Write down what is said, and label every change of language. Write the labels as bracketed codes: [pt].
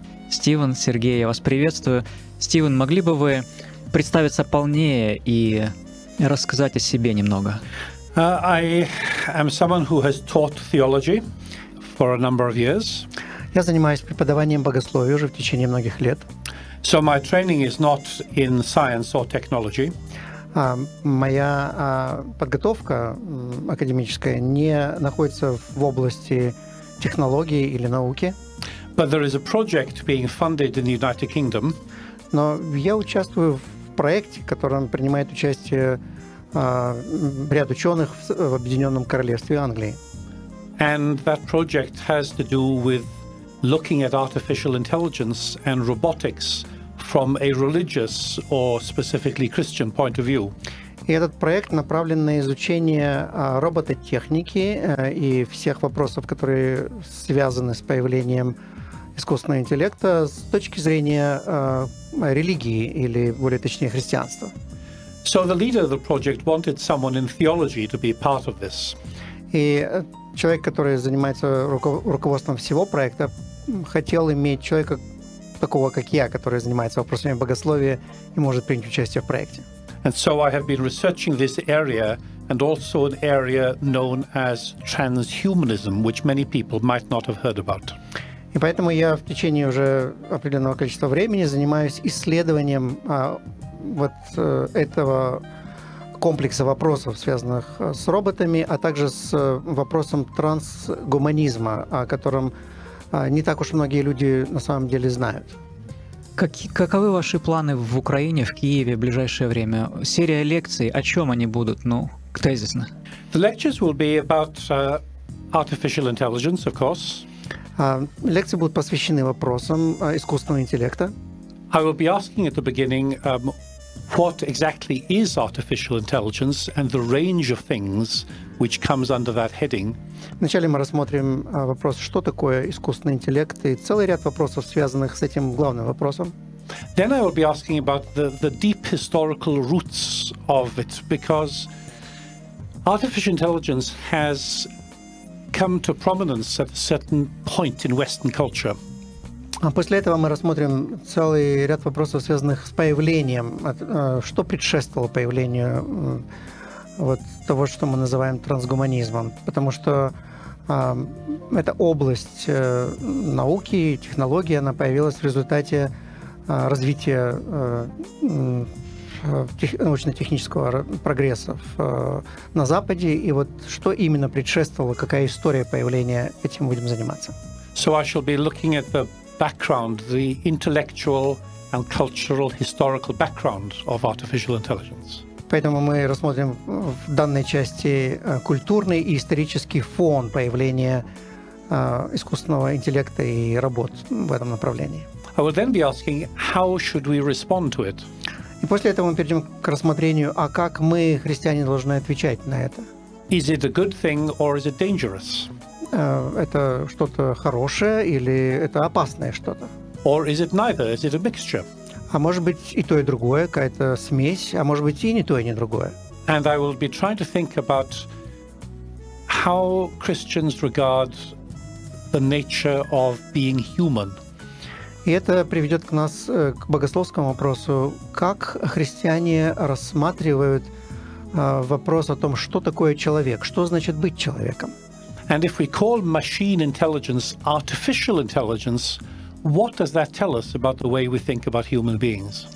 [ru] Стівен, Сергей, я вас приветствую. Стівен, могли бы вы представиться полнее и рассказать о себе немного? [en] I am someone who has taught theology for a number of years. [ru] Я занимаюсь преподаванием богословия уже в течение многих лет. [en] So my training is not in science or technology. [ru] Моя подготовка академическая не находится в области технологии или науки. [en] But there is a project being funded in the United Kingdom. [ru] Но я участвую в проекте, в котором принимает участие ряд ученых в Объединенном Королевстве Англии. [en] And that project has to do with looking at artificial intelligence and robotics from a religious or specifically Christian point of view. [ru] И этот проект направлен на изучение робототехники и всех вопросов, которые связаны с появлением искусственного интеллекта с точки зрения религии или, более точнее, христианства. [en] So the leader of the project wanted someone in theology to be part of this. [ru] И человек, который занимается руководством всего проекта, хотел иметь человека такого, как я, который занимается вопросами богословия и может принять участие в проекте. [en] And so I have been researching this area and also an area known as transhumanism, which many people might not have heard about. [ru] И поэтому я в течение уже определенного количества времени занимаюсь исследованием вот этого комплекса вопросов, связанных с роботами, а также с вопросом трансгуманизма, о котором не так уж многие люди на самом деле знают. Каковы ваши планы в Украине, в Киеве в ближайшее время? Серия лекций, о чем они будут? Ну, тезисно. [en] The lectures will be about artificial intelligence, of course. [ru] Лекции будут посвящены вопросам искусственного интеллекта. [en] I will be asking at the beginning what exactly is artificial intelligence and the range of things which comes under that heading. [ru] Вначале мы рассмотрим вопрос, что такое искусственный интеллект, и целый ряд вопросов, связанных с этим главным вопросом. [en] Then I will be asking about the deep historical roots of it, because artificial intelligence has come to prominence at a certain point in Western culture. [ru] А после этого мы рассмотрим целый ряд вопросов, связанных с появлением, что предшествовало появлению вот того, что мы называем трансгуманизмом, потому что эта область науки и технологии, она появилась в результате развития научно-технического прогресса на Западе, и вот что именно предшествовало, какая история появления, этим будем заниматься. [en] So I shall be looking at the background, the intellectual and cultural historical background of artificial intelligence. [ru] Поэтому мы рассмотрим в данной части культурный и исторический фон появления искусственного интеллекта и работ в этом направлении. [en] I will then be asking, how should we respond to it? [ru] И после этого мы перейдем к рассмотрению, а как мы, христиане, должны отвечать на это? [en] Is it a good thing or is it dangerous? [ru] Это что-то хорошее или это опасное что-то? [en] Or is it neither? Is it a mixture? [ru] А может быть и то, и другое, какая-то смесь, а может быть и не то, и не другое. [en] And I will be trying to think about how Christians regard the nature of being human. [ru] И это приведет к нас к богословскому вопросу, как христиане рассматривают вопрос о том, что такое человек, что значит быть человеком. [en] And if we call machine intelligence artificial intelligence, what does that tell us about the way we think about human beings?